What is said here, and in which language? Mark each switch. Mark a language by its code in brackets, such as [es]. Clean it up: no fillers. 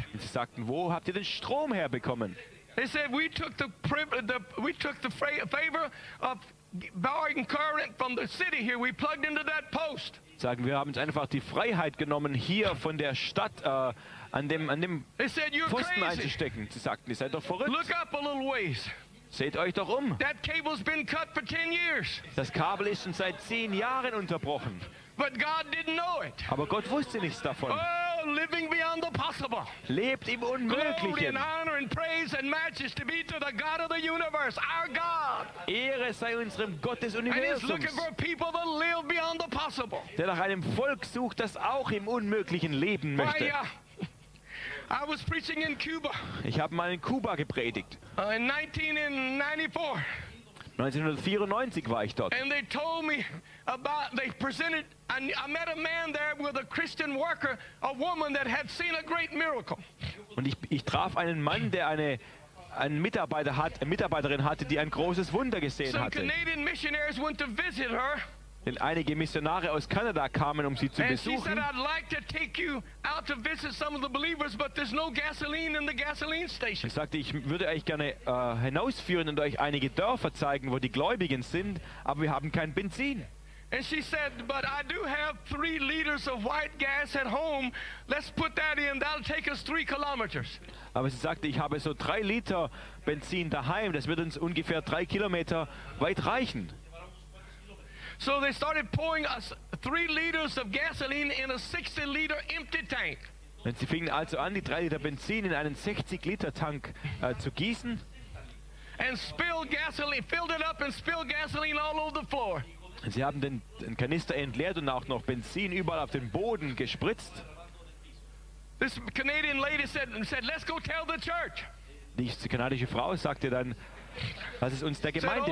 [de] Und sie sagten, wo habt ihr den Strom herbekommen? [en] They said, we took the favor of borrowing current from the city here. We plugged into that post. [de] Sagen, wir haben uns einfach die Freiheit genommen, hier von der Stadt an dem Pfosten einzustecken. Sie sagten, ihr seid doch verrückt. [en] Look up a little ways. [de] Seht euch doch um. [en] That cable's been cut for 10 years. [de] Das Kabel ist schon seit 10 Jahren unterbrochen. [en] But God didn't know it. [de] Aber Gott wusste nichts davon. [en] Oh, living beyond the possible. [de] Lebt im Unmöglichen. [en] Glory and honor and praise and majesty be to the God of the universe, our God. [de] Ehre sei unserem Gott des Universums. [en] And he's looking for people that live beyond the possible. [de] Der nach einem Volk sucht, das auch im Unmöglichen leben möchte. [en] I was preaching in Cuba. [de] Ich habe mal in Kuba gepredigt. [en] In 1994. [de] 1994 war ich dort. [en] And they told me about, they presented, I met a man there with a Christian worker, a woman that had seen a great miracle. [de] Und ich traf einen Mann, der eine Mitarbeiterin hatte, die ein großes Wunder gesehen hatte. [en] Some Canadian missionaries went to visit her. [de] Denn einige Missionare aus Kanada kamen, um sie zu besuchen. [en] And she said, I'd like to take you out to visit some of the believers, but there's no gasoline in the gasoline station. [de] Ich sagte, ich würde euch gerne hinausführen und euch einige Dörfer zeigen, wo die Gläubigen sind, aber wir haben kein Benzin. [en] And she said, but I do have 3 liters of white gas at home. Let's put that in. That'll take us 3 kilometers. [de] Aber sie sagte, ich habe so 3 Liter Benzin daheim. Das wird uns ungefähr 3 Kilometer weit reichen. [en] So they started pouring us 3 liters of gasoline in a 60-liter empty tank. [de] Und sie fingen also an, die 3 Liter Benzin in einen 60-Liter-Tank zu gießen. [en] And spilled gasoline, filled it up and spilled gasoline all over the floor. [de] Sie haben den Kanister entleert und auch noch Benzin überall auf den Boden gespritzt. [en] This Canadian lady said, "Let's go tell the church." [de] Die kanadische Frau sagte dann, lass es uns der Gemeinde